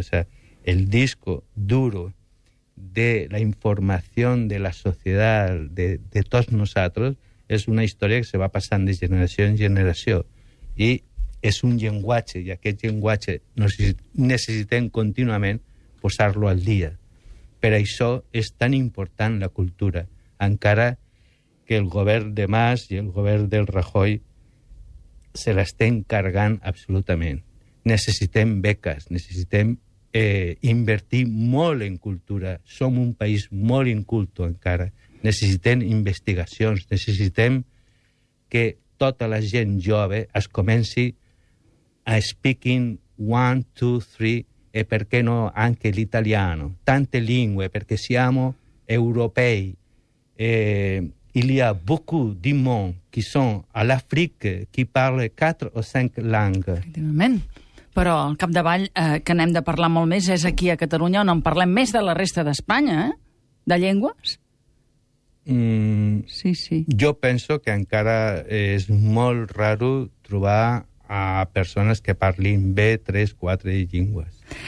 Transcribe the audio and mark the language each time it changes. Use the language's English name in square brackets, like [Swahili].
[Spanish] O sea, el disco duro de la información de la sociedad, de todos nosotros, es una historia que se va pasando de generación en generación. Y es un lenguaje, y aquel lenguaje necesitamos continuamente posarlo al día. [Catalan] Per això és tan important la cultura, encara que el govern de Mas i el govern del Rajoy se l'estén cargant absolutament. Necessitem beques, necessitem invertir molt en cultura. Som un país molt inculto encara. Necessitem investigacions, necessitem que tota la gent jove es comenci a [English] speaking [Catalan] 1, 2, 3, [Italian] e perché no anche l'italiano. Tante lingue, perché siamo europei. [French] Il y a beaucoup di monde qui sont à l'Afrique qui parlent 4 o 5 langues. [Catalan] Efectivament. Però al capdavall que n'hem de parlar molt més és aquí a Catalunya, on en parlem més de la resta d'Espanya, de llengües? Sí, sí. Jo penso que encara és molt raro trobar a persones que parlin bé 3, 4 llengües.